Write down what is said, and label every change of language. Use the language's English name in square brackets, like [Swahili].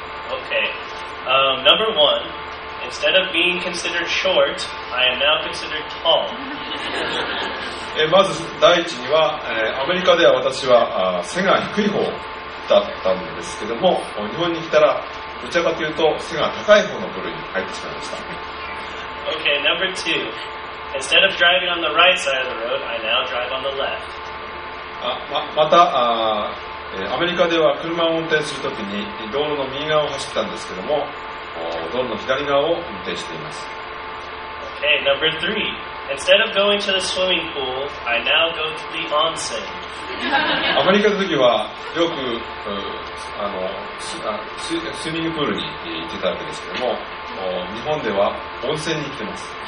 [English] OK、Number one, instead of being considered short, I am now considered tall. [Japanese] まず第一にはアメリカでは私は背が低い方だったんですけども、日本に来たらどちらかというと背が高い方の部類に入ってしまいました。 [English] Okay, number two. Instead of driving on the right side of the road, I now drive on the left. [Japanese] アメリカでは車を運転するときに道路の右側を走ったんですけども、道路の左側を運転しています。 [English] Okay, number three. Instead of going to the swimming pool, I now go to the onsen. [Japanese] アメリカのときはよく、スイミングプールに行ってたわけですけども、日本では温泉に行ってます。